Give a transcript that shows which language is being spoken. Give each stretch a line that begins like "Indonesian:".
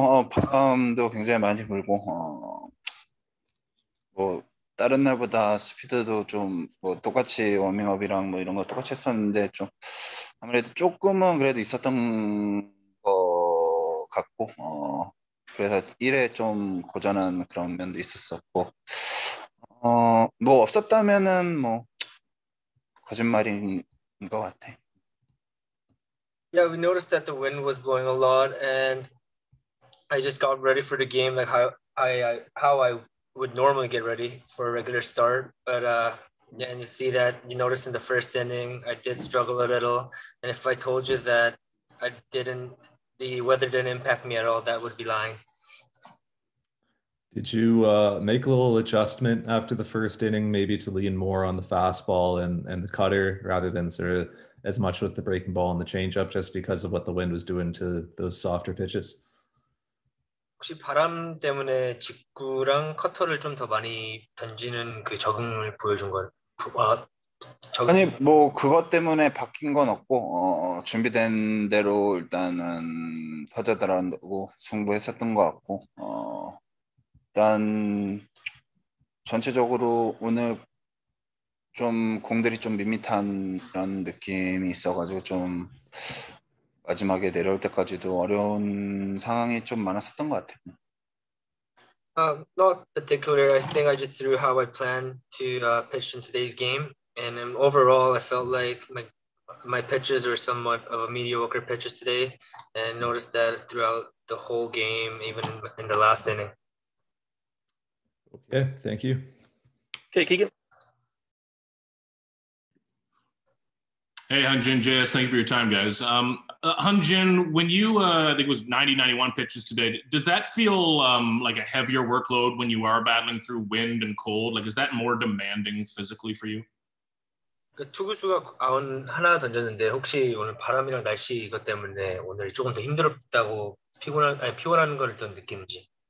Korean: 바람도 굉장히 많이 불고 다른 날보다 스피드도 좀뭐 똑같이 워밍업이랑 뭐 이런 거 똑같이 했었는데 좀 아무래도 조금은 그래도 있었던 거 같고 그래서 1회 좀 고전한 그런 면도 있었었고 뭐 없었다면은 뭐 거짓말인 것 같아.
English: Yeah, we noticed that the wind was blowing a lot, and I just got ready for the game like how I would normally get ready for a regular start. But yeah, and you see that you notice in the first inning, I did struggle a little. And if I told you that the weather didn't impact me at all, that would be lying. Did you make a little adjustment after the first inning, maybe to lean more on the fastball and the cutter rather than sort of as much with the breaking ball and the changeup just because of what the wind was doing to those softer pitches?
Korean: 혹시 바람 때문에 직구랑 커터를 좀더 많이 던지는 그 적응을 보여준 건 아니 뭐 그것 때문에 바뀐 건 없고 준비된 대로 일단은 터져들어간다고 승부했었던 것 같고 일단 전체적으로 오늘 좀 공들이 좀 밋밋한 그런 느낌이 있어가지고 좀 마지막에 내려올 때까지도 어려운 상황이 좀 많았었던 것 같아요.
English: Not particular. I think I just threw how I plan to pitch in today's game, and overall, I felt like my pitches were somewhat of a mediocre pitches today, and noticed that throughout the whole game, even in the last inning. Okay, thank you. Okay, Keegan. Hey, Hunjin, JS, thank you for your time, guys. Hunjin, when you, I think it was 90, 91 pitches today, does that feel like a heavier workload when you are battling through wind and cold? Like, is that more demanding physically for you?
Korean: 투구수가 하나 던졌는데 혹시 오늘 바람이랑 날씨 이것 때문에 오늘 조금 더 힘들었다고 피곤한 걸좀 느끼는지?